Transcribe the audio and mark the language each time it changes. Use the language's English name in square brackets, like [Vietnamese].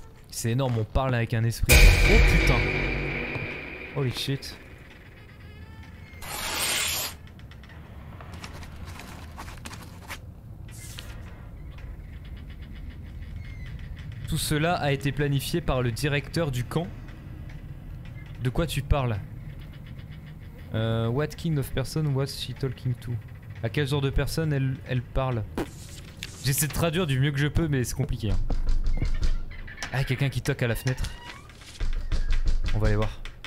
[French] C'est énorme, on parle avec un esprit. Oh putain! [English] Holy shit! [French] Tout cela a été planifié par le directeur du camp. De quoi tu parles? [English] What kind of person was she talking to? [French] À quel genre de personne elle parle? J'essaie de traduire du mieux que je peux, mais c'est compliqué. Hein. Ah, quelqu'un qui toque à la fenêtre. On va aller voir.